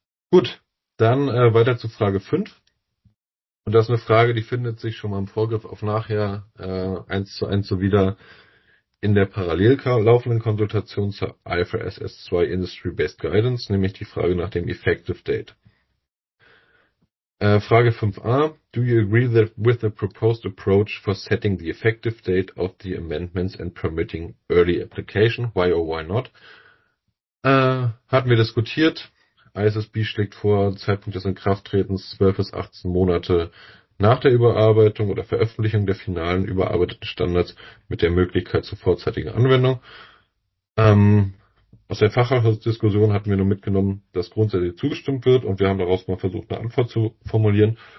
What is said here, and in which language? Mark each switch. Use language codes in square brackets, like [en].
[de] Gut, dann weiter zu Frage 5. Und das ist eine Frage, die findet sich schon mal im Vorgriff auf nachher eins zu eins so wieder in der parallel laufenden Konsultation zur IFRS S2 Industry Based Guidance, nämlich die Frage nach dem Effective Date. [en] Frage 5a, do you agree that with the proposed approach for setting the effective date of the amendments and permitting early application, why or why not? [de] Hatten wir diskutiert. ISSB schlägt vor, Zeitpunkt des Inkrafttretens 12 bis 18 Monate nach der Überarbeitung oder Veröffentlichung der finalen überarbeiteten Standards mit der Möglichkeit zur vorzeitigen Anwendung. Aus der Fachhausdiskussion hatten wir nur mitgenommen, dass grundsätzlich zugestimmt wird und wir haben daraus mal versucht, eine Antwort zu formulieren.